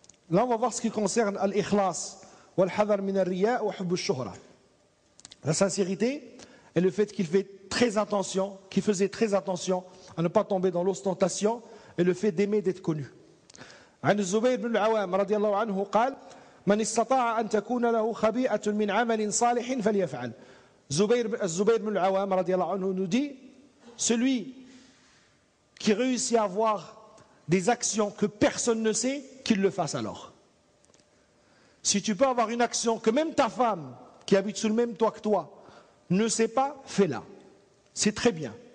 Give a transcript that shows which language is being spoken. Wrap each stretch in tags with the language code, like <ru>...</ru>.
<fr>Là, on va voir ce qui concerne l'ikhlas,</fr> <ar>wal-hadar min al-riya</ar> <fr>ou</fr> <ar>hubb-shuhra.</ar> <fr>La sincérité et le fait qu'il faisait très attention à ne pas tomber dans l'ostentation et le fait d'aimer d'être connu.</fr> <ar>عن الزبير بن العوام رضي الله عنه قال من استطاع أن تكون له خبيئة من عمل صالح فليفعل.</ar> <fr>الزبير بن العوام</fr> <ar>رضي الله عنه</ar> <fr>nous dit celui qui réussit à avoir des actions que personne ne sait, qu'il le fasse alors. Si tu peux avoir une action que même ta femme qui habite sous le même toit que toi ne sait pas, fais-la. C'est très bien.</fr>